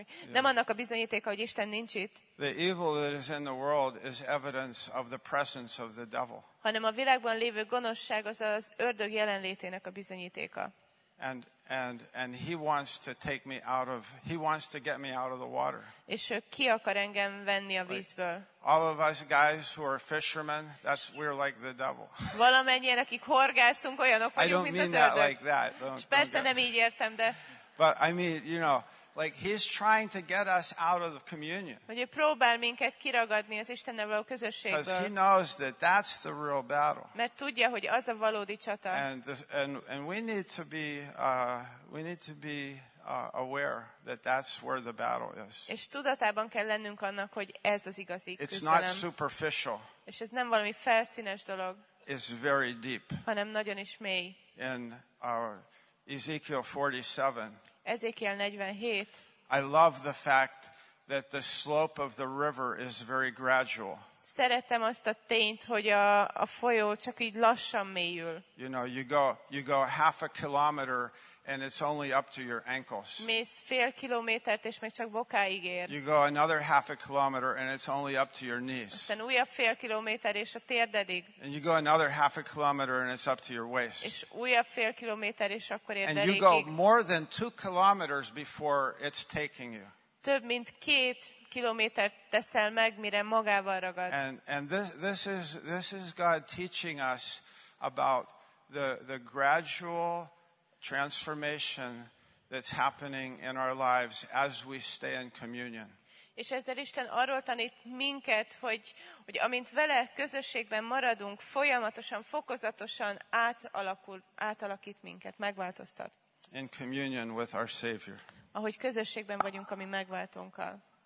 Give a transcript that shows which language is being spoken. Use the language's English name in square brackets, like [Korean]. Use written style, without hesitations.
[Hungarian] Nem annak a bizonyítéka, hogy Isten nincs itt. [English] The evil that is in the world is evidence of the presence of the devil. [Hungarian] Hanem a világban lévő gonoszság az ördög jelenlétének a bizonyítéka. [English] And he wants to take me out of, he wants to get me out of the water. [Hungarian] És ki akar engem venni a vízből? [English] Like, all of us guys who are fishermen, we're like the devil. [Hungarian] Valamennyien, akik horgászunk, olyanok vagyunk, mint az ördög. [English] Like that. Don't [Hungarian] persze nem így értem, de. [English] But I mean, you know, like he's trying to get us out of the communion. [Hungarian] Hogy próbál minket kiragadni az Istennel való közösségből. [English] Because he knows that that's the real battle. [Hungarian] Mert tudja, hogy az a valódi csata. [English] And we need to be aware that that's where the battle is. [Hungarian] És tudatában kell lennünk annak, hogy ez az igazi küzdelem. [English] It's not superficial. [Hungarian] És ez nem valami felszínes dolog. [English] It's very deep. [Hungarian] Hanem nagyon is mély. [English] In Ezekiel 47. [Hungarian] Ezekiel 47. [English] I love the fact that the slope of the river is very gradual. [Hungarian] Szeretem azt a tényt, hogy a folyó csak így lassan mélyül. [English] You know, you go half a kilometer and it's only up to your ankles. [Hungarian] Mész fél kilométert és még csak bokáig ér. [English] You go another half a kilometer and it's only up to your knees. [Hungarian] Aztán újabb fél kilométer és a térdedig. [English] And you go another half a kilometer and it's up to your waist. [Hungarian] És újabb fél kilométer és akkor ér. [English] And you go more than 2 kilometers before it's taking you. [Hungarian] Több mint 2 kilométert teszel meg, mire magával ragad. [English] And this is God teaching us about the gradual transformation that's happening in our lives as we stay in communion. [Hungarian] És ezzel Isten arról tanít minket, hogy amint vele közösségben maradunk, folyamatosan, fokozatosan átalakít minket, megváltoztat. [English] In communion with our Savior. [Hungarian] Ahogy közösségben vagyunk a mi megváltónkkal.